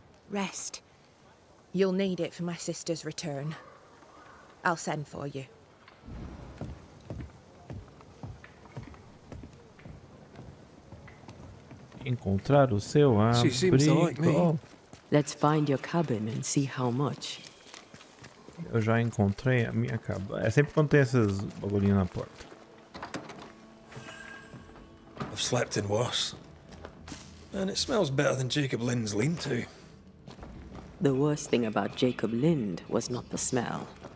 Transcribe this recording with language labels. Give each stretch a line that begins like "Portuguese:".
English: Rest. You'll need it for my sister's return. I'll send for you.
Portuguese: Encontrar o seu abrigo.
English: Let's find your cabin and see how much.
Portuguese: Eu já encontrei a minha cabin. É sempre quando tem essas bagulhinhas na porta.
English: I've slept in worse. And it smells better than Jacob Lind's lean-to. The worst thing about Jacob Lind was not the smell.